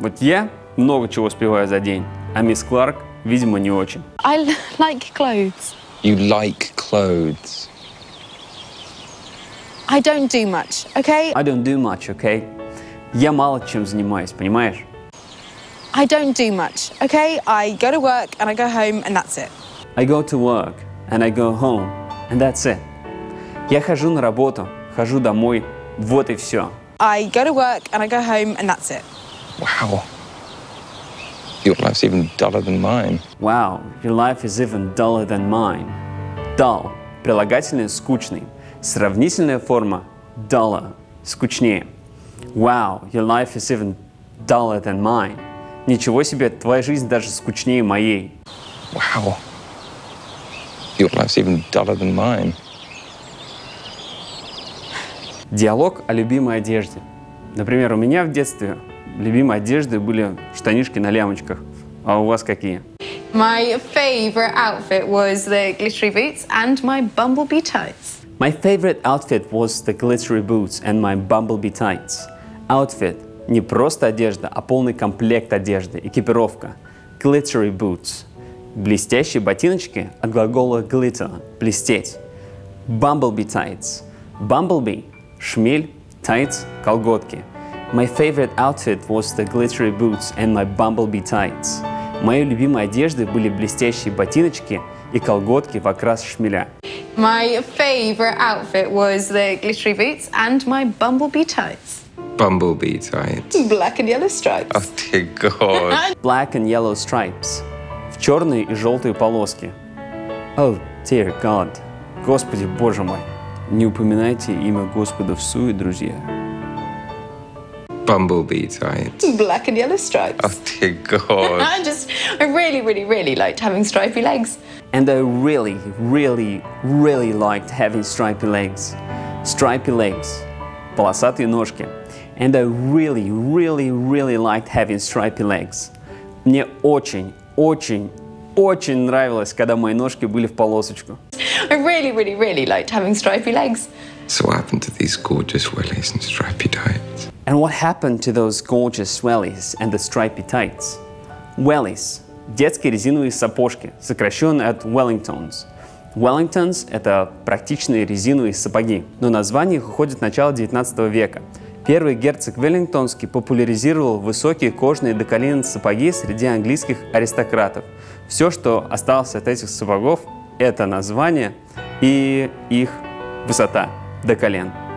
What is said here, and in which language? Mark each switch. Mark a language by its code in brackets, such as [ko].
[ru] Вот я много чего успеваю за день. А мисс Кларк, видимо, не очень. [en] I like clothes. You like clothes. I don't do much, okay? I don't do much, okay? [ru] Я мало чем занимаюсь, понимаешь? [en] I don't do much, okay? I go to work and I go home and that's it. I go to work and I go home and that's it. [ru] Я хожу на работу, хожу домой, вот и все. [en] I go to work and I go home and that's it. Wow. Your life's even duller than mine. Wow, your life is even duller than mine. Dull. [ru] Прилагательное скучный. Сравнительная форма duller. Скучнее. [en] Wow, your life is even duller than mine. [ru] Ничего себе, твоя жизнь даже скучнее моей. [en] Wow. Your life's even duller than mine. [ru] Диалог о любимой одежде. Например, у меня в детстве любимой одеждой были штанишки на лямочках. А у вас какие? [en] My favorite outfit was the glittery boots and my bumblebee tights. My favorite outfit was the glittery boots and my bumblebee tights. [ru] Outfit – не просто одежда, а полный комплект одежды, экипировка. Glittery boots – блестящие ботиночки от глагола glitter – блестеть. Bumblebee tights – bumblebee – шмель, tights – колготки. [en] My favorite outfit was the glittery boots and my bumblebee tights. [ru] Моей любимой одеждой были блестящие ботиночки и колготки в окрас шмеля. [en] My favorite outfit was the glittery boots and my bumblebee tights. Bumblebee tights. Black and yellow stripes. Oh, dear God. Black and yellow stripes. [ru] В черные и желтые полоски. [en] Oh, dear God. [ru] Господи, боже мой. Не упоминайте имя Господа в суе, друзья. [en] Bumblebee tights. Black and yellow stripes. Oh, dear God. I really, really, really liked having stripy legs. And I really, really, really liked having stripy legs. [ru] Stripy legs. Полосатые ножки. [en] And I really, really, really liked having stripy legs. [ru] Мне очень, очень, очень нравилось, когда мои ножки были в полосочку. [en] I really, really, really liked having stripy legs. So what happened to these gorgeous wellies and stripy tights? And what happened to those gorgeous wellies and the stripy tights? [ru] Wellies – детские резиновые сапожки, сокращенные от Wellingtons. Wellingtons – это практичные резиновые сапоги, но название их уходит в начало 19 века. Первый герцог Веллингтонский популяризировал высокие кожные до колен сапоги среди английских аристократов. Все, что осталось от этих сапогов – это название и их высота до колен.